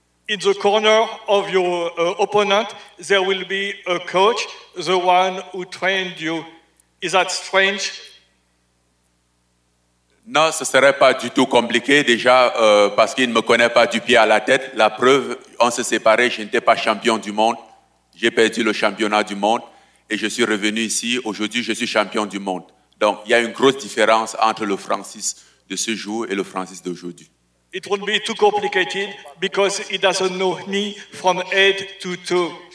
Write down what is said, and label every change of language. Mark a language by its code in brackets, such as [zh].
[en] In the corner of your opponent, there will be a coach, the one who trained you. Is that strange? [fr] Non, ce ne serait pas du tout compliqué, déjà, parce qu'il ne me connaît pas du pied à la tête. La preuve, on se séparait, je n'étais pas champion du monde. J'ai perdu le championnat du monde. Et je suis revenu ici. Aujourd'hui, je suis champion du monde. Donc, il y a une grosse différence entre le Francis de ce jour et le Francis d'aujourd'hui. [en] It won't be too complicated because he doesn't know me from head to toe.